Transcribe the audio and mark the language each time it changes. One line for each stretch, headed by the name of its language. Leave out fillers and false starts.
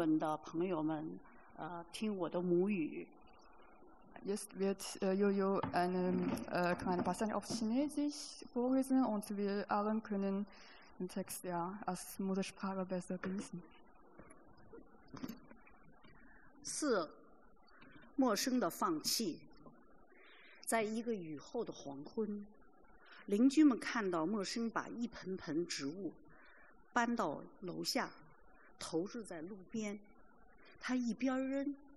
Chinese: 下面呢，我就朗诵一小段中文，请在座的懂得中文的朋友们，听我的母语。
German: Jetzt wird Jojo eine kleine Passage auf Chinesisch vorlesen und wir alle können den Text ja als Muttersprache besser lesen.
Chinese: 4. 陌生的放弃，在一个雨后的黄昏，邻居们看到陌生把一盆盆植物搬到楼下，投掷在路边，他一边扔。